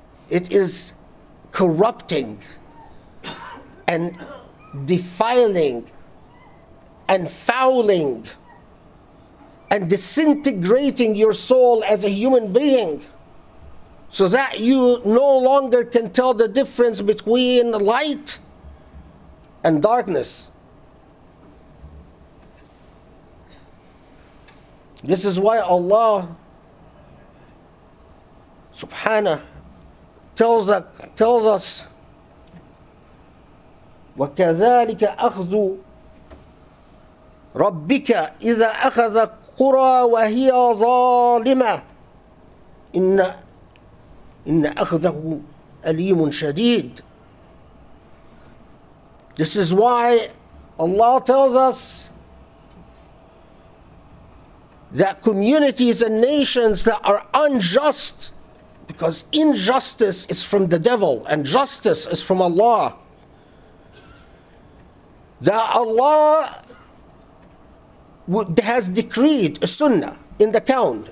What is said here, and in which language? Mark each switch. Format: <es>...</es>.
<en>It is corrupting and defiling and fouling and disintegrating your soul as a human being, so that you no longer can tell the difference between light and darkness. This is why Allah subhanahu tells us,</en> <ar>وَكَذَلِكَ أَخْذُ رَبِّكَ إِذَا أَخَذَ قُرَى وَهِيَ ظَالِمَةٌ إِنَّ أَخْذَهُ أَلِيمٌ شَدِيدٌ.</ar> <en>This is why Allah tells us that communities and nations that are unjust, because injustice is from the devil and justice is from Allah, that Allah has decreed a sunnah in the kaun.</en>